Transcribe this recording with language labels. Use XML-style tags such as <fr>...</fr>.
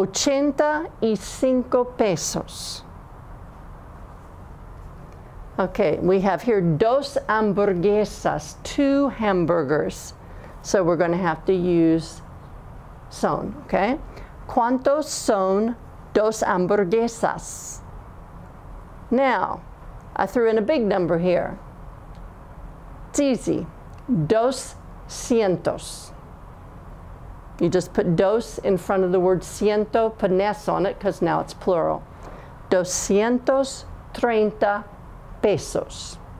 <en>85 pesos. Okay, we have here</en> <es>dos hamburguesas,</es> <en>two hamburgers. So we're going to have to use son, okay?</en> <es>¿Cuántos son dos hamburguesas?</es> <en>Now, I threw in a big number here. It's easy.</en> <es>Dos cientos.</es> <en>You just put dos in front of the word ciento, put an S on it because now it's plural. 230 pesos.</en>